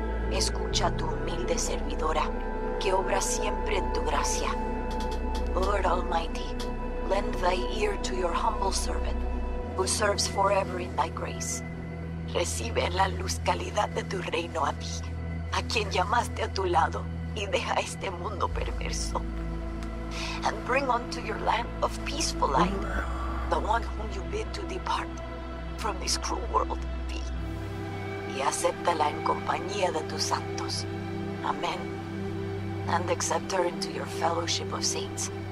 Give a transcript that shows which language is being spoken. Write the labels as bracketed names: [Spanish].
[Spanish] Escucha tu humilde servidora, que obra siempre en tu gracia. [English] Lord Almighty, lend thy ear to your humble servant, who serves forever in thy grace. [Spanish] Recibe la luz calidad de tu reino a ti, a quien llamaste a tu lado, y deja este mundo perverso. [English] And bring unto your land of peaceful light the one whom you bid to depart from this cruel world of thee. [Spanish] Y acéptala en compañía de tus santos. Amen. [English] And accept her into your fellowship of saints.